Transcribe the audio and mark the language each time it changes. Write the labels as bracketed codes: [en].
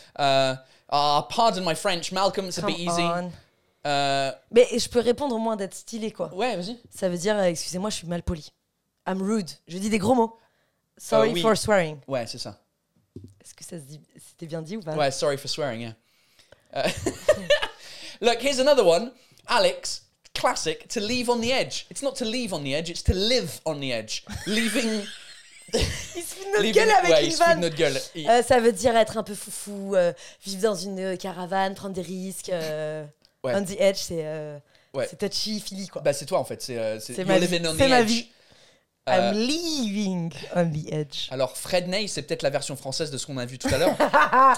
[en] Pardon my French, Malcolm, it's Come a bit easy. On. [fr] Mais je peux répondre au moins d'être stylé, quoi. Ouais, vas-y. Ça veut dire, excusez-moi, je suis mal poli. [en] I'm rude. [fr] Je dis des gros mots. [en] Sorry for swearing. [fr] Ouais, c'est ça. Est-ce que ça se dit, c'était bien dit ou pas? [en] Ouais, sorry for swearing, yeah. Look, here's another one. Alex, classic, to leave on the edge. It's not to leave on the edge, it's to live on the edge. Leaving [fr] Il se fout de notre gueule avec ouais, une vanne. De notre gueule. Ça veut dire être un peu foufou, vivre dans une caravane, prendre des risques. Ouais. [en] On the edge, [fr] c'est, ouais. C'est touchy, filly, quoi. Bah, c'est toi, en fait. C'est ma vie. C'est ma vie. [en] I'm leaving on the edge. [fr] Alors, Fred Ney, c'est peut-être la version française de ce qu'on a vu tout à l'heure.